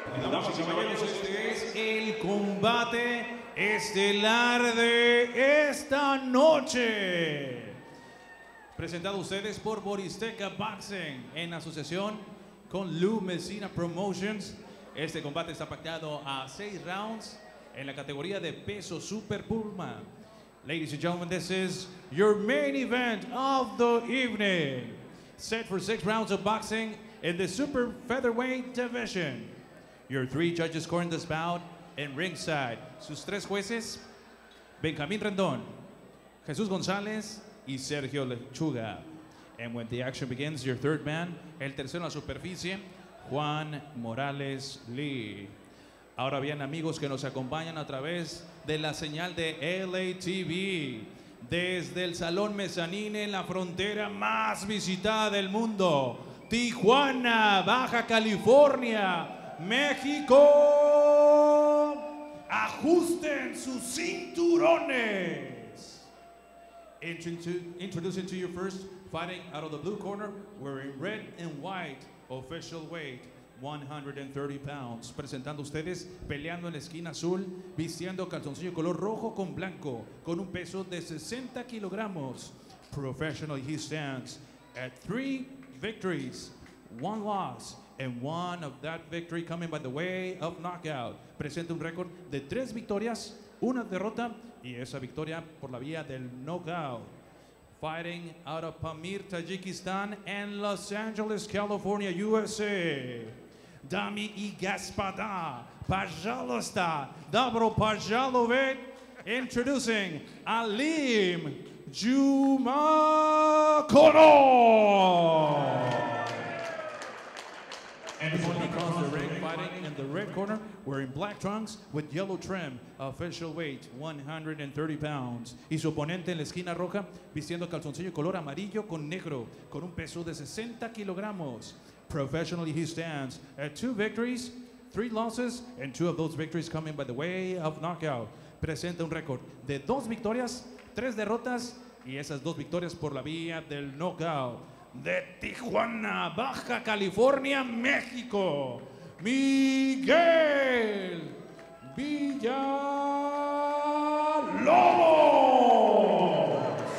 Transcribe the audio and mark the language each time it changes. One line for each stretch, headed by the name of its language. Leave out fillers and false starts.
Spanish: Damas y caballeros, este es el combate estelar de esta noche. Presentado a ustedes por Boristeca Boxing en asociación con Lou Messina Promotions. Este combate está pactado a 6 rounds en la categoría de peso super pluma.
English: Ladies and gentlemen, this is your main event of the evening. Set for 6 rounds of boxing in the super featherweight division. Your 3 judges scoring this bout in ringside.
Spanish: Sus 3 jueces, Benjamín Rendón, Jesús González y Sergio Lechuga.
English: And when the action begins, your 3rd man,
Spanish: el tercero en la superficie,
English: Juan Morales Lee.
Spanish: Ahora bien, amigos que nos acompañan a través de la señal de LA TV, desde el Salón Mezzanine en la frontera más visitada del mundo, Tijuana, Baja California, México. Ajusten sus cinturones.
English: Introducing to you first, fighting out of the blue corner, wearing red and white, official weight, 130 pounds.
Spanish: Presentando ustedes, peleando en la esquina azul, vistiendo calzoncillo color rojo con blanco, con un peso de 60 kilogramos.
English: Professionally, he stands at 3 victories, 1 loss, and 1 of that victory coming by the way of knockout.
Spanish: Presenta un récord de 3 victorias, 1 derrota, y esa victoria por la vía del knockout.
English: Fighting out of Pamir, Tajikistan, and Los Angeles, California, USA.
Russian: Dami y Gaspada, Pajalosta, Dabro Pajalovet,
English: introducing
Russian: Alim Jumakhonov.
English: And he crossed the ring, fighting in the red corner, wearing black trunks with yellow trim, official weight 130 pounds.
Spanish: Y su oponente en la esquina roja, vistiendo calzoncillo color amarillo con negro, con un peso de 60 kilogramos.
English: Professionally, he stands at 2 victories, 3 losses, and 2 of those victories coming by the way of knockout.
Spanish: Presenta un récord de 2 victorias, 3 derrotas, y esas 2 victorias por la vía del knockout. De Tijuana, Baja California, México, Miguel Villalobos.